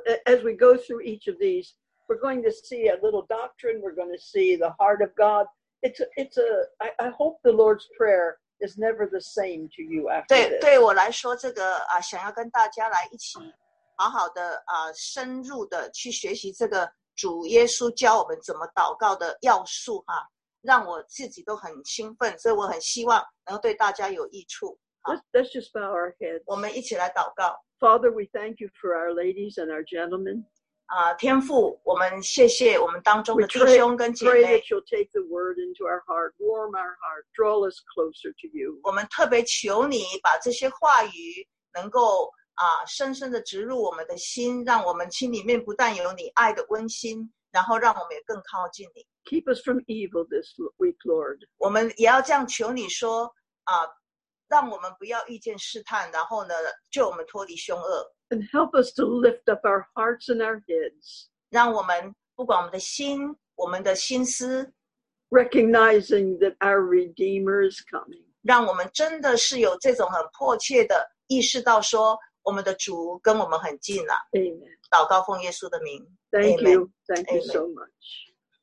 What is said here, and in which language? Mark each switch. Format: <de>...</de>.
<en>？As we go through each of these, we're going to see a little doctrine. We're going to see the heart of God. I hope the Lord's prayer. Is never the same to you after.</en> <zh>对，对我来说，这个啊，想要跟大家来一起好好的啊，深入的去学习这个主耶稣教我们怎么祷告的要素哈、啊，让我自己都很兴奋，所以我很希望能够对大家有益处。</zh> <en>Let's just bow our heads.</en> <zh>我们一起来祷告。</zh> <en>Father, we thank you for our ladies and our gentlemen.</en> <zh>啊，天父，我们谢谢我们当中的弟兄跟姐妹。</zh> <en>We pray that you'll take the word into our heart, warm our heart, draw us closer to you.</en> <zh>我们特别求你把这些话语能够啊深深的植入我们的心，让我们心里面不但有你爱的温馨，然后让我们也更靠近你。</zh> <en>Keep us from evil this week, Lord.</en> <zh>我们也要这样求你说啊，让我们不要遇见试探，然后呢，救我们脱离凶恶。</zh> <en>And help us to lift up our hearts and our heads.</en> <zh>让我们不管我们的心，我们的心思。</zh> <en>Recognizing that our Redeemer is coming.</en> <zh>让我们真的是有这种很迫切的意识到说，我们的主跟我们很近了。</zh> <en>Amen.</en> <zh>祷告奉耶稣的名。</zh> <en>Thank you. Thank you so much.</en>